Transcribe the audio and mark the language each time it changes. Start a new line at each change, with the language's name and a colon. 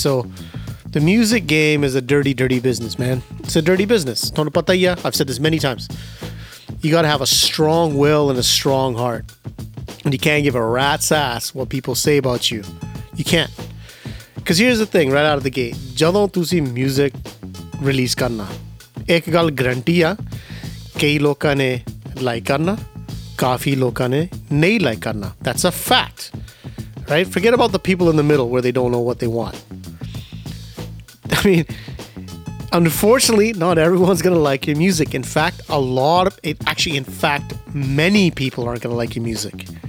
English: So the music game is a dirty, dirty business, man. It's a dirty business. I've said this many times. You got to have a strong will and a strong heart. And you can't give a rat's ass what people say about you. You can't. Because here's the thing right out of the gate.
Punjabi: ਜਦੋਂ ਤੁਸੀ music release ਕਰਨਾ, ਇੱਕ ਗੱਲ guarantee ਯਾ, ਕਈ ਲੋਕਾ ਨੇ like ਕਰਨਾ, ਕਾਫੀ ਲੋਕਾ ਨੇ ਨਹੀ like ਕਰਨਾ.
English: That's a fact. Right? Forget about the people in the middle where they don't know what they want. I mean, unfortunately, not everyone's going to like your music. In fact, many people aren't going to like your music.